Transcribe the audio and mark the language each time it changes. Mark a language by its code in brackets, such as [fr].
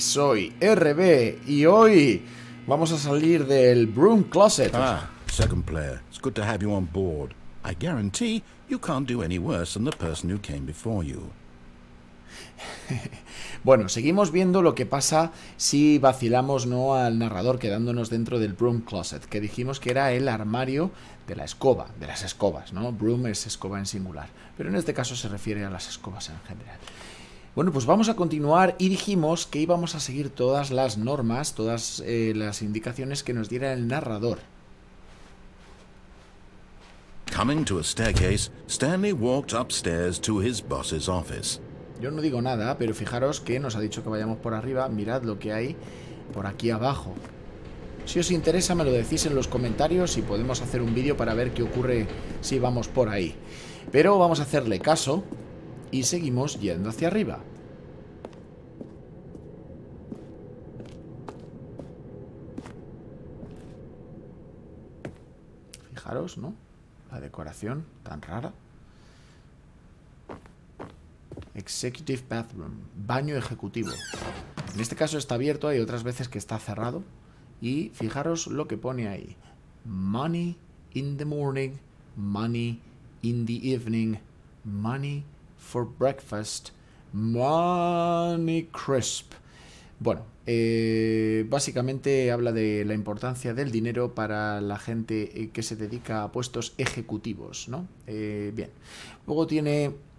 [es] Soy RB y hoy vamos a salir del Broom Closet. [en] Ah, second player, it's good to have you on board. I guarantee you can't do any worse than the person who came before you. [es] Bueno, seguimos viendo lo que pasa si vacilamos no al narrador quedándonos dentro del broom closet, que dijimos que era el armario de la escoba, de las escobas, ¿no? Broom es escoba en singular, pero en este caso se refiere a las escobas en general. Bueno, pues vamos a continuar y dijimos que íbamos a seguir todas las normas, todas las indicaciones que nos diera el narrador. [en] Coming to a staircase, Stanley walked upstairs to his boss's office. [es] Yo no digo nada, pero fijaros que nos ha dicho que vayamos por arriba. Mirad lo que hay por aquí abajo. Si os interesa, me lo decís en los comentarios y podemos hacer un vídeo para ver qué ocurre si vamos por ahí. Pero vamos a hacerle caso y seguimos yendo hacia arriba. Fijaros, ¿no? La decoración tan rara. Executive Bathroom, baño ejecutivo. En este caso está abierto, hay otras veces que está cerrado. Y fijaros lo que pone ahí. [en] Money in the morning, money in the evening, money for breakfast, money crisp. [es] Bueno, básicamente habla de la importancia del dinero para la gente que se dedica a puestos ejecutivos, ¿no? Bien, luego tiene...